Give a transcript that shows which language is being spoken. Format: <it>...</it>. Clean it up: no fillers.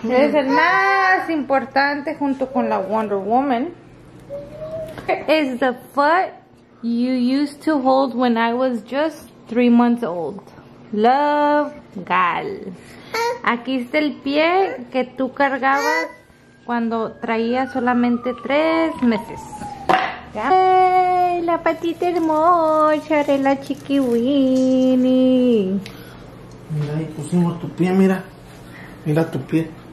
<es>Es el más importante junto con la Wonder Woman.</es> <en>Es the foot you used to hold when I was just 3 months old. Love, Gal.</en> <es>Aquí está el pie que tú cargabas cuando traía solamente 3 meses. ¿Ya? ¡Ay, la patita hermosa de la chiquiwini! Mira, ahí pusimos tu pie, mira. Mira tu pie.</es>